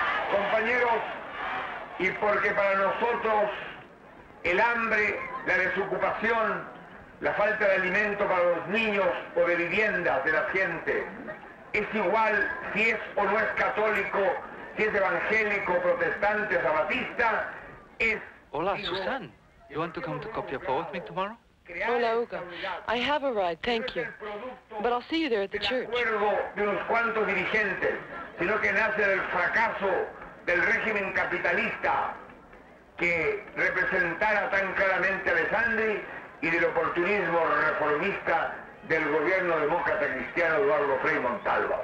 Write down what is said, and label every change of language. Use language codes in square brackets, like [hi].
[es] Compañeros, y porque para nosotros el hambre, la desocupación, la falta de alimento para los niños o de viviendas de la gente, es igual si es o no es católico, si es evangélico, protestante, sabatista, es... Hola, Susan. [en] You want to come to Copiapó with me tomorrow? [es] Hola, Hugo. [en] I have a ride, thank you. But I'll see you there at the church. [es] No es el acuerdo de unos cuantos dirigentes, sino que nace del fracaso del régimen capitalista que representara tan claramente a Alessandri y del oportunismo reformista del gobierno demócrata cristiano Eduardo Frei Montalva.